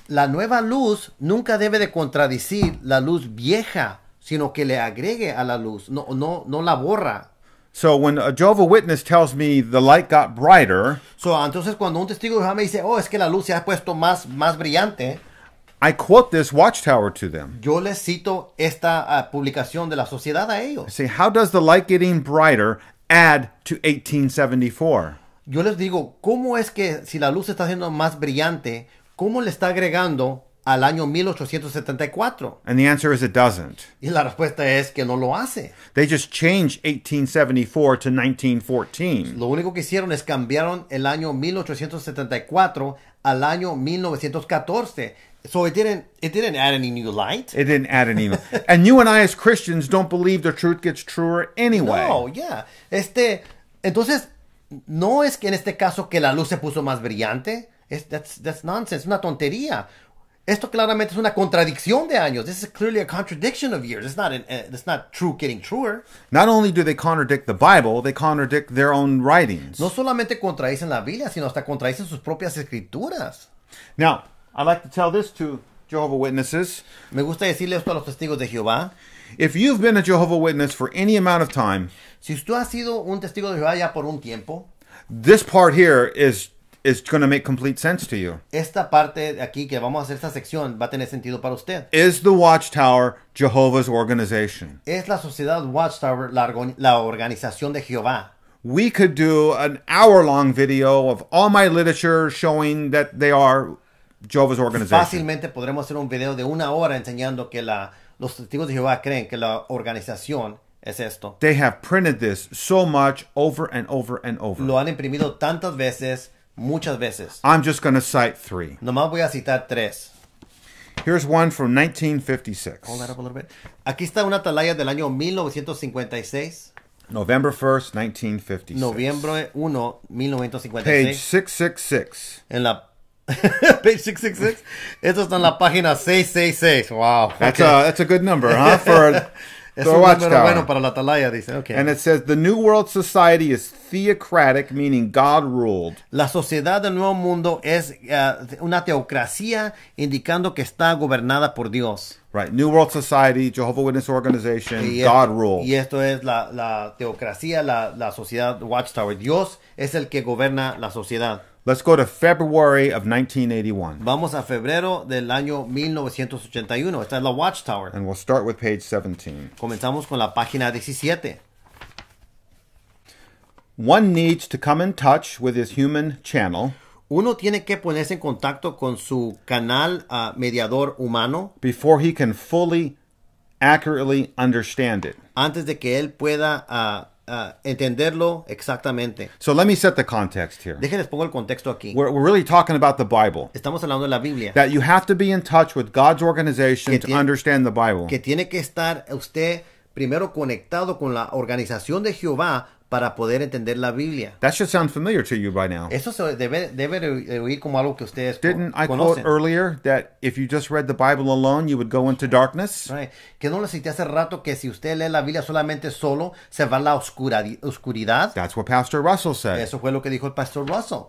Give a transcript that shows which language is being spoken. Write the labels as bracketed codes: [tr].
[es] La nueva luz nunca debe de contradecir la luz vieja, sino que le agregue a la luz, no la borra. [en] So when a Jehovah Witness tells me the light got brighter, [es] so entonces cuando un testigo de Jehová me dice, oh, es que la luz se ha puesto más brillante, [en] I quote this Watchtower to them. [es] Yo les cito esta publicación de la sociedad a ellos. [en] See, how does the light getting brighter add to 1874? [es] Yo les digo, ¿cómo es que si la luz está siendo más brillante, cómo le está agregando al año 1874? [en] And the answer is it doesn't. [es] Y la respuesta es que no lo hace. [en] They just changed 1874 to 1914. [es] Lo único que hicieron es cambiaron el año 1874 al año 1914. [en] So it didn't add any new light. It didn't add any new. And you and I as Christians don't believe the truth gets truer anyway. No, yeah. [es] Entonces, no es que en este caso que la luz se puso más brillante. [en] That's nonsense. [es] Una tontería. Esto claramente es una contradicción de años. [en] This is clearly a contradiction of years. It's not true getting truer. Not only do they contradict the Bible, they contradict their own writings. [es] No solamente contradicen la Biblia, sino hasta contradicen sus propias escrituras. [en] Now, I'd like to tell this to Jehovah Witnesses. [es] Me gusta decirle esto a los testigos de Jehová. [en] If you've been a Jehovah Witness for any amount of time, [es] si tú has sido un testigo de Jehová ya por un tiempo, [en] this part here is going to make complete sense to you. [es] Esta parte de aquí que vamos a hacer, esta sección, va a tener sentido para usted. [en] Is the Watchtower Jehovah's organization? [es] Es la Sociedad Watchtower la organización de Jehová. [en] We could do an hour-long video of all my literature showing that they are Jehovah's organization. [es] Fácilmente podremos hacer un video de una hora enseñando que los testigos de Jehová creen que la organización es esto. [en] They have printed this so much over and over and over. [es] Lo han imprimido tantas veces. Muchas veces. [en] I'm just going to cite three. [es] Nomás voy a citar tres. [en] Here's one from 1956. Hold that up a little bit. [es] Aquí está una atalaya del año 1956. [en] November 1st, 1956. [es] Noviembre 1, 1956. [en] Page 666. [es] En la... page 666. Esto está en la página 666. Wow. [en] That's a good number, huh? For [es] es un número bueno para la atalaya, dice. Okay. [en] And it says, the New World Society is theocratic, meaning God ruled. [es] La sociedad del nuevo mundo es una teocracia, indicando que está gobernada por Dios. [en] Right, New World Society, Jehovah Witness Organization, God ruled. [es] Y esto es la teocracia, la sociedad Watchtower. Dios es el que gobierna la sociedad. [en] Let's go to February of 1981. [es] Vamos a febrero del año 1981. Esta es la Watchtower. [en] And we'll start with page 17. [es] Comenzamos con la página 17. [en] One needs to come in touch with his human channel. [es] Uno tiene que ponerse en contacto con su canal mediador humano. [en] Before he can fully, accurately understand it. [es] Antes de que él pueda... entenderlo exactamente. [en] So let me set the context here. [es] Déjenles pongo el contexto aquí. [en] We're really talking about the Bible. [es] Estamos hablando de la Biblia. [en] That you have to be in touch with God's organization to understand the Bible. [es] Que tiene que estar usted primero conectado con la organización de Jehová para poder entender la Biblia. [en] That should sound familiar to you by now. [es] Eso se debe oír como algo que ustedes conocen. [en] Didn't I quote earlier that if you just read the Bible alone, you would go into darkness? Right. [es] Que no lo cité hace rato que si usted lee la Biblia solamente solo, se va a la oscuridad. [en] That's what Pastor Russell said. [es] Eso fue lo que dijo el Pastor Russell.